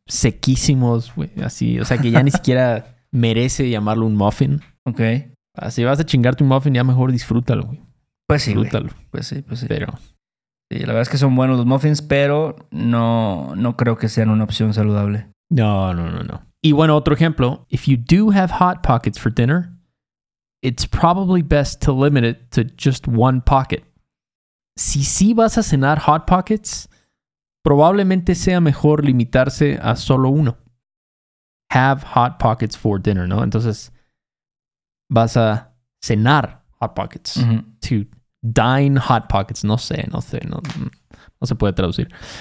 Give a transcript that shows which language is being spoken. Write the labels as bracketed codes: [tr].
[es] Sequísimos, güey, así. O sea, que ya ni siquiera merece llamarlo un muffin. Ok. Si vas a chingarte un muffin, ya mejor disfrútalo, güey. Pues sí, disfrútalo. Wey. Pues sí, pues sí. Pero... Sí, la verdad es que son buenos los muffins, pero no creo que sean una opción saludable. No. Y bueno, otro ejemplo. [en] If you do have Hot Pockets for dinner, it's probably best to limit it to just one pocket. [es] Si sí vas a cenar Hot Pockets, probablemente sea mejor limitarse a solo uno. [en] Have Hot Pockets for dinner, [es] ¿no? Entonces, vas a cenar Hot Pockets. Mm-hmm. [en] To dine Hot Pockets. [es] No sé. No se puede traducir.